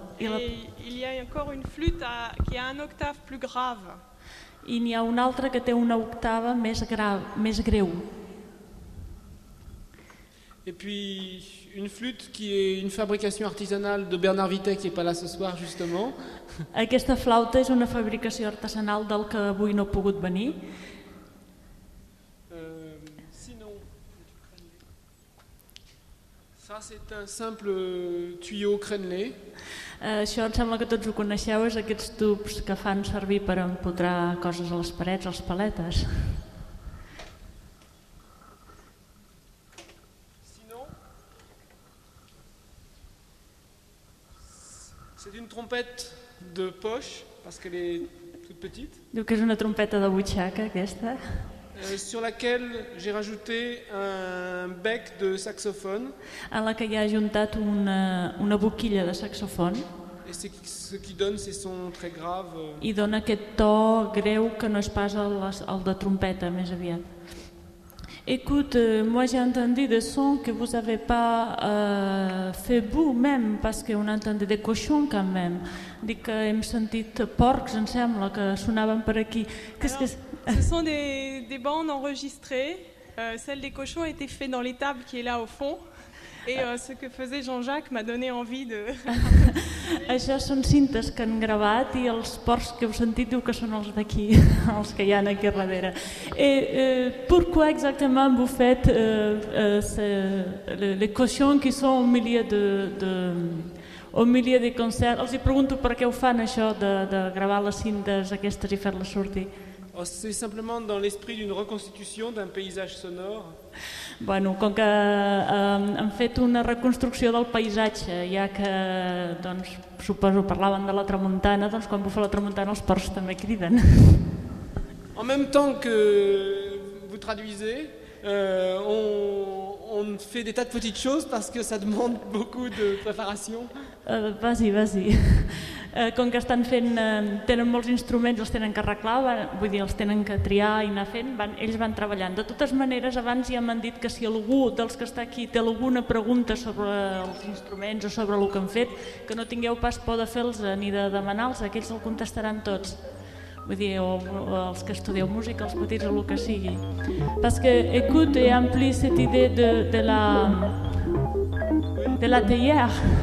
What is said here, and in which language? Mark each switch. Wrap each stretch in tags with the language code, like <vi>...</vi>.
<fr>Il y a encore une flûte qui a un octave plus grave.</fr> <ca>I n'hi ha una altra que té una octava més grave, més greu.</ca> <fr>Et puis une flûte qui est une fabrication artisanale de Bernard Vitet qui n'est pas là ce soir justement.</fr> <ca>Aquesta flauta és una fabricació artesanal del que avui no ha pogut venir.</ca> <fr>Sinon, ça c'est un simple tuyau crénelé.</fr> <ca>Això em sembla que tots ho coneixeu, és aquests tubs que fan servir per empotrar coses a les parets, als paletes.</ca> <fr>Trompette de poche parce qu'elle est toute petite. Donc c'est une trompette de butchaka, aquesta. Sur laquelle j'ai rajouté un bec de saxophone.</fr> <ca>En la que hi ha ajuntat una boquilla de saxophone.</ca> <fr>Et ce qui donne ces sons très graves.</fr> <ca>I dona aquest to greu que no és pas el de trompeta més aviat.</ca> <fr>Écoute, moi j'ai entendu des sons que vous n'avez pas fait vous-même, parce qu'on entendait des cochons quand même.</fr> <ca>Dic que hem sentit porcs, em sembla, que sonaven per aquí.</ca> <fr>Alors, que... Ce sont des bandes enregistrées. Celle des cochons était faite dans l'étable qui est là au fond. Et ce que faisait Jean-Jacques m'a donné envie de...</fr> <ca>Això són cintes que han gravat i els porcs que heu sentit diu que són els d'aquí, els que hi ha aquí darrere.</ca> <fr>Pourquoi exactement vous faites les cochons qui sont au milieu des concerts?</fr> <ca>Els hi pregunto per què ho fan això de gravar les cintes aquestes i fer-les sortir.</ca> <fr>Oh, c'est simplement dans l'esprit d'une reconstitution d'un paysage sonore.</fr> <ca>Bueno, com que han fet una reconstrucció del paisatge, ja que doncs, suposo parlaven de la tramuntana, doncs quan bufa la tramuntana els porcs també criden.</ca> <fr>En même temps que vous traduisez, on fait des tas de petites choses parce que ça demande beaucoup de préparation. Vas-y.</fr> <ca>Com que estan fent, tenen molts instruments, els tenen que arreglar, vull dir, els tenen que triar i anar fent, ells van treballant. De totes maneres, abans ja m'han dit que si algú dels que està aquí té alguna pregunta sobre els instruments o sobre el que han fet, que no tingueu pas por de fer-los ni de demanar-los, aquells el contestaran tots. Vull dir, o els que estudieu música, els petits o el que sigui.</ca> <fr>Parce que, écoute,</fr> <ca>he ampliat</ca> <fr>cette idée de la théière.</fr>